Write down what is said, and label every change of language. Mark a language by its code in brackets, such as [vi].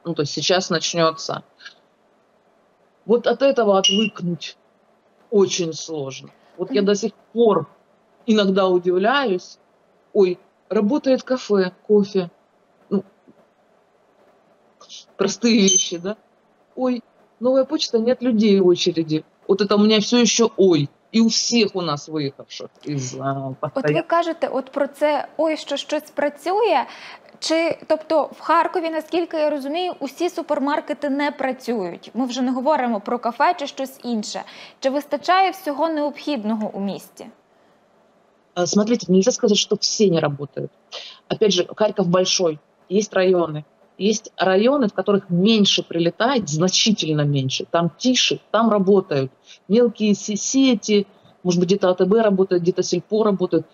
[ru] Ну, то есть сейчас начнется... Вот от этого отвыкнуть очень сложно. Вот я до сих пор иногда удивляюсь. Ой, работает кафе, кофе. Ну, простые вещи, да? Ой, новая почта, нет людей в очереди. Вот это у меня все еще ой. [uk] І у всіх у нас виїхавших із постійно. От ви кажете, от про це, ой, що щось працює, чи, тобто, в Харкові, наскільки я розумію, усі супермаркети не працюють. Ми вже не говоримо про кафе чи щось інше. Чи вистачає всього необхідного у місті? [ru] Смотрите, нельзя сказать, что все не работают. Опять же, Харків большой, [uk] є райони. [ru] Есть районы, в которых меньше прилетает, значительно меньше. Там тише, там работают мелкие сети, может быть, где-то АТБ работает, где-то сельпо работает.